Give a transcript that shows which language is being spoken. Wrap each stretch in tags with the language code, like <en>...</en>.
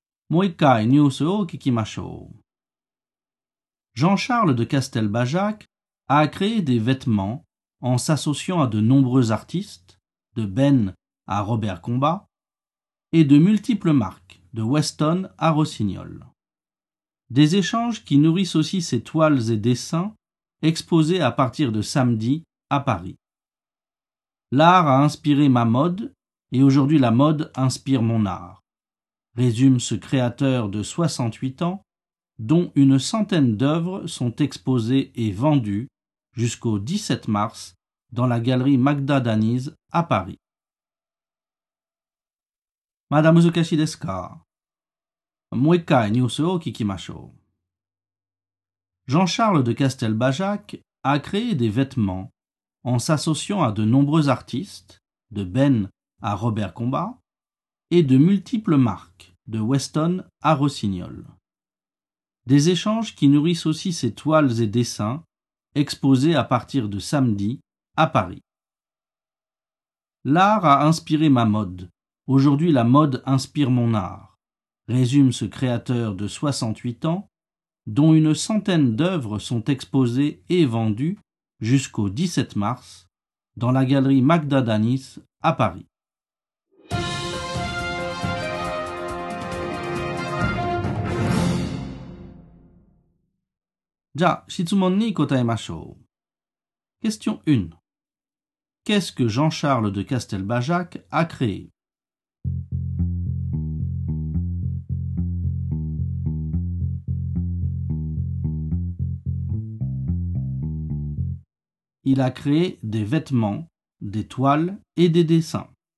<ja>もう一回ニュースを聞きましょう。</ja> <fr>Jean-Charles de Castelbajac a créé des vêtements en s'associant à de nombreux artistes, de Ben à Robert Combat, et de multiples marques, de Weston à Rossignol. Des échanges qui nourrissent aussi ses toiles et dessins exposés à partir de samedi à Paris. L'art a inspiré ma mode et aujourd'hui la mode inspire mon art, résume ce créateur de 68 ans dont une centaine d'œuvres sont exposées et vendues jusqu'au 17 mars dans la galerie Magda Danise à Paris. Madame Zukashi Deska.</fr> <ja>もう一回ニュースを聞きましょう。</ja> <fr>Jean-Charles de Castelbajac a créé des vêtements en s'associant à de nombreux artistes, de Ben à Robert Combat, et de multiples marques, de Weston à Rossignol. Des échanges qui nourrissent aussi ses toiles et dessins exposés à partir de samedi à Paris. L'art a inspiré ma mode. Aujourd'hui, la mode inspire mon art. Résume ce créateur de 68 ans, dont une centaine d'œuvres sont exposées et vendues jusqu'au 17 mars dans la galerie Magda Danise à Paris.</fr> <ja>じゃあ、質問に答えましょう。</ja> <fr>Question 1. Qu'est-ce que Jean-Charles de Castelbajac a créé? Il a créé des vêtements, des toiles et des dessins.</fr>